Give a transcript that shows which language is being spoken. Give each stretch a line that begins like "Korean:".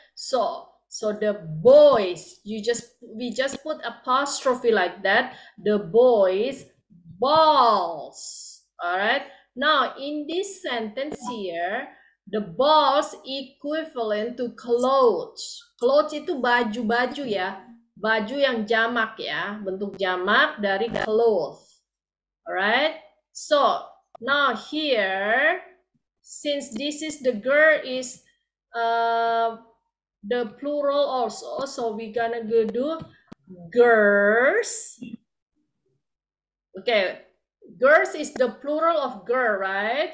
English: So the boys, we just put apostrophe like that. The boys, balls. All right. Now, in this sentence here, the balls equivalent to clothes.
Indonesian: Clothes itu baju-baju ya. Baju yang jamak ya. Bentuk jamak dari clothes.
English: All right. So, now here, since this is the girl is the plural also, so we gonna go do girls. Okay, girls is the plural of girl, right?